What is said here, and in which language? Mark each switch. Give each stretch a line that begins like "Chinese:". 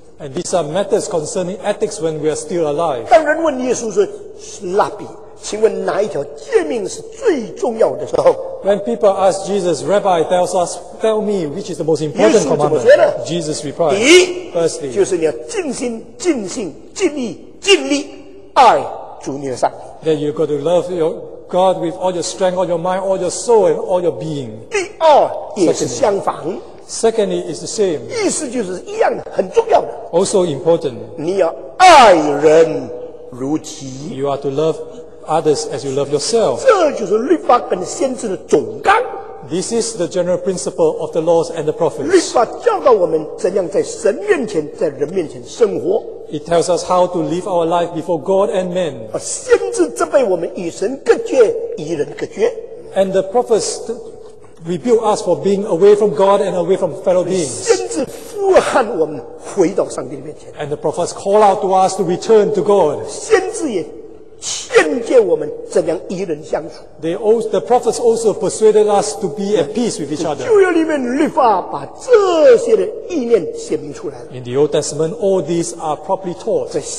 English: And these are matters concerning ethics when we are still alive.
Chinese: 当人问耶稣说，拉比。请问哪一条诫命是最重要的时候？
English: When people ask Jesus, Rabbi tells us, tell me which is the most important commandment. Jesus replied,
Chinese: 第一,
English: firstly,
Chinese: 就是你要尽心、尽性、尽力爱主你的上帝。
English: Then you've got to love your God with all your strength, all your mind, all your soul, and all your being.
Chinese: 第二也是相反。
English: Secondly, it's the same.
Chinese: 意思就是一样的，很重要的。
English: Also important.
Chinese: 你要爱人如己。
English: You are to love others as you love yourself.
Chinese: 这就是律法跟先知的总纲。
English: This is the general principle of the laws and the prophets.
Chinese: 律法教导我们怎样在神面前、在人面前生活。
English: It tells us how to live our life before God and men.
Chinese: 先知责备我们与神隔绝、与人隔绝。
English: And the prophets rebuild us for being away from God and away from fellow beings.
Chinese: 先知呼喊我们回到上帝面前。
English: And the prophets call out to us to return to God.
Chinese: 先知也 劝诫我们怎样与人相处。
English: The prophets also persuaded us to be at peace with each other.
Chinese: 旧约里面律法把这些的意念写明出来了。
English: In the Old Testament, all these are properly taught.